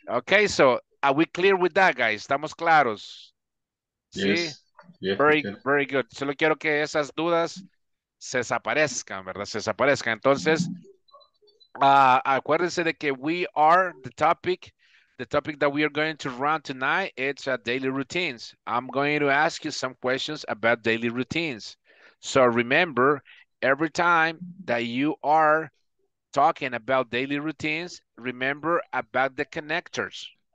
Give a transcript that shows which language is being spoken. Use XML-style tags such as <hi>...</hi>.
<en>Okay, so are we clear with that, guys?</en> <es>Estamos claros.</es> <en>Yes. ¿Sí? Yes, very, okay. Very good.</en> <es>Solo quiero que esas dudas se desaparezcan, ¿verdad? Se desaparezcan. Entonces, acuérdense de que</es> <en>we are the topic that we are going to run tonight, it's daily routines. I'm going to ask you some questions about daily routines. So remember, every time that you are talking about daily routines, remember about the connectors.</en>